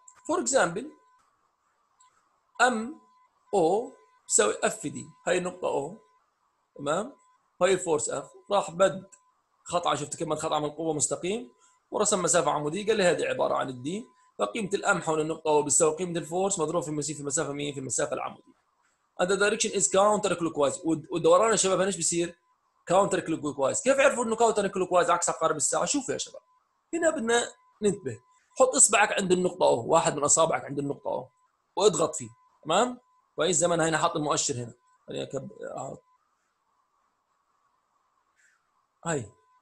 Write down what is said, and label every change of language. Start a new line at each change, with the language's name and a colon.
English: For example
Arabic: M O بساوي F D، هاي النقطة O تمام، هاي الفورس F، راح بد خط عمل، شفت كم خط عمل قوة مستقيم ورسم مسافة عمودية، قال لي هذه عبارة عن الدي، فقيمة الأم حول النقطة O بتساوي قيمة الفورس مضروب في المسافة، في مسافة مين؟ في المسافة العمودية.
English: And the direction is counter clockwise،
Arabic: والدوران يا شباب ايش بيصير؟
English: counter clockwise.
Arabic: كيف عرفوا انه counter clockwise عكس عقارب الساعة؟ شوفوا يا شباب هنا بدنا ننتبه، حط اصبعك عند النقطة O، واحد من اصابعك عند النقطة O واضغط فيه تمام؟ كويس، زي ما انا هنا حاط المؤشر هنا، خليني احط هاي